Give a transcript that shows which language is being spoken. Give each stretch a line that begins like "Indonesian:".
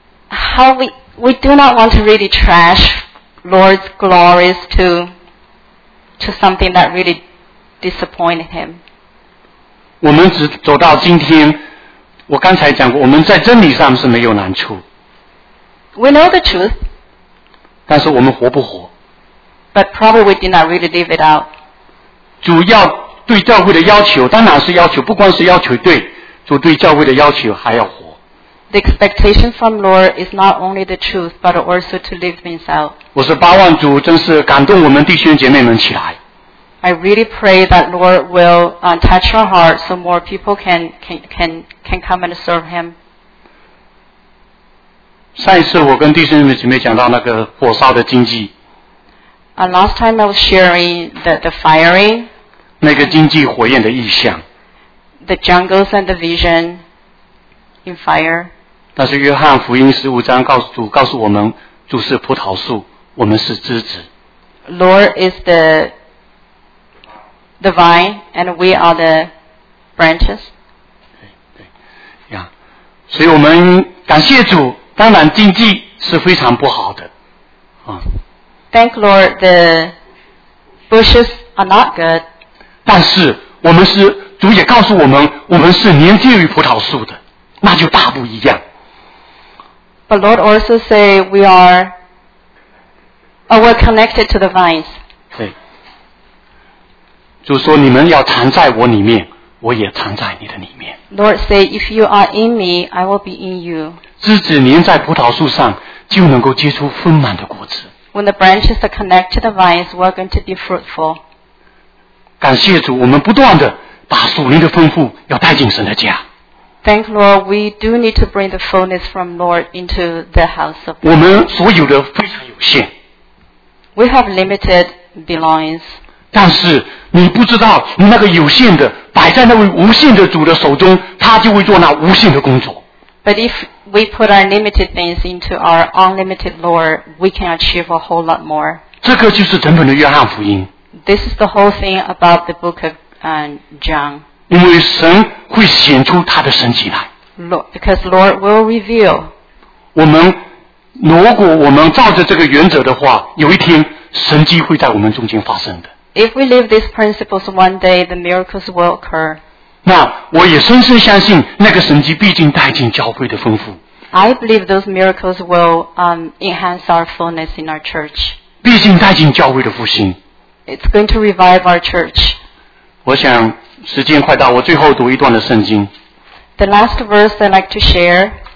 English: How we do not want to really trash Lord's glories to something that really disappointed him.
Chinese: 我们只走到今天，我刚才讲过，我们在真理上是没有难处。
English: We know the truth.
Chinese: 但是我们活不活？
English: But probably we did not really live it out.
Chinese: 主要对教会的要求，当然是要求，不光是要求对，主对教会的要求还要活。
English: The expectation from Lord is not only the truth, but also to live things out.
Chinese: 我是巴望主，真是感动我们弟兄姐妹们起来。
English: I really pray that Lord will touch your heart, so more people can come and serve Him.
Chinese: 上一次我跟弟兄姐妹讲到那个火烧的荆棘。
English: Last time I was sharing the firing.
Chinese: 那个荆棘火焰的意象。
English: The jungles and the vision. In fire.
Chinese: 但是约翰福音十五章告诉我们，主是葡萄树，我们是枝子。
English: Lord is the vine, and we are the branches.
Chinese: 对呀，所以我们感谢主。当然，经济是非常不好的。
English: Thank Lord, the bushes are not good.
Chinese: 但是我们是主也告诉我们，我们是连接于葡萄树的。那就大不一样。
English: But Lord also say we are, we're connected to the vines.
Chinese: 对，主说你们要藏在我里面，我也藏在你的里面。
English: Lord say if you are in me, I will be in you.
Chinese: 枝子粘在葡萄树上，就能够结出丰满的果子。
English: When the branches are connected to the vines, we're going to be fruitful.
Chinese: 感谢主，我们不断的把属灵的丰富要带进神的家。
English: Thank Lord, we do need to bring the fullness from Lord into the house of God.
Chinese: 我们所有的非常有限。
English: We have limited belongings.
Chinese: 但是你不知道，你那个有限的摆在那位无限的主的手中，他就会做那无限的工作。
English: But if we put our limited things into our unlimited Lord, we can achieve a whole lot more.
Chinese: 这个就是整本的约翰福音。
English: This is the whole thing about the book of John.
Chinese: 因为神会显出他的神迹来。
English: Because Lord will reveal.
Chinese: 我们如果我们照着这个原则的话，有一天神迹会在我们中间发生的。
English: If we live these principles one day, the miracles will occur.
Chinese: 那我也深深相信那个神迹必定带进教会的丰富。
English: I believe those miracles will enhance our fullness in our church.
Chinese: 必定带进教会的复兴。
English: It's going to revive our church.
Chinese: 我想时间快到，我最后读一段的圣经。
English: The last verse I'd like to share.